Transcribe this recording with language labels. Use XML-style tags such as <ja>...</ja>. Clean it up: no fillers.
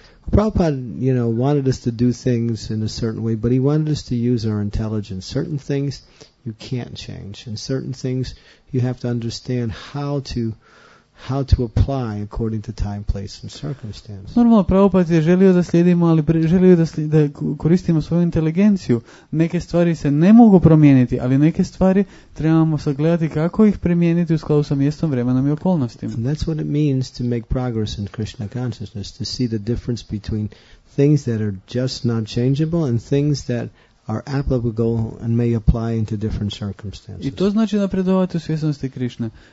<en>Prabhupada, you know, wanted us to do things in a certain way, but he wanted us to use our intelligence. Certain things you can't change, and certain things you have to understand how to apply according to time, place, and circumstance.</en> <hr>Normalno, Prabhupada je želio da slijedimo, ali želio da koristimo svoju inteligenciju. Neke stvari se ne mogu promijeniti, ali neke stvari trebamo sagledati kako ih primijeniti u skladu sa mjestom, vremenom i okolnostima.</hr> <en>And that's what it means to make progress in Krishna consciousness, to see the difference between things that are just not changeable and things that are applicable and may apply into different circumstances.</en> <hr>I to znači napredovati u svjesnosti Krišne.</hr>